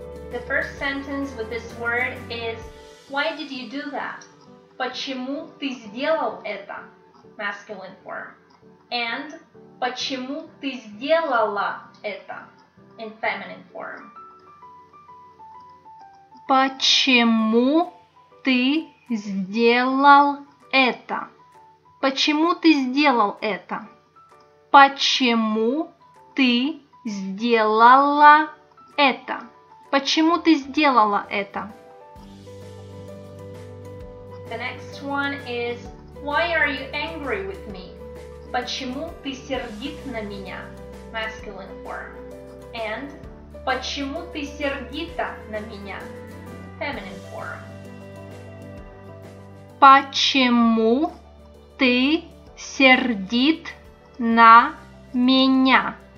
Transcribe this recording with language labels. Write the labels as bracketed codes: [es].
[en] The first sentence with this word is Why did you do that? [ru] Почему ты сделал это? [en] Masculine form. [ru] And Почему ты сделала это? [en] In feminine form. [ru] Почему ты сделал это? Почему ты сделал это? Почему ты сделала это? Почему ты сделала это? [en] The next one is Why are you angry with me? [ru] Почему ты сердит на меня? [en] Masculine form. [ru] And Почему ты сердита на меня? [en] Feminine form. [ru] Почему ты сердит на меня?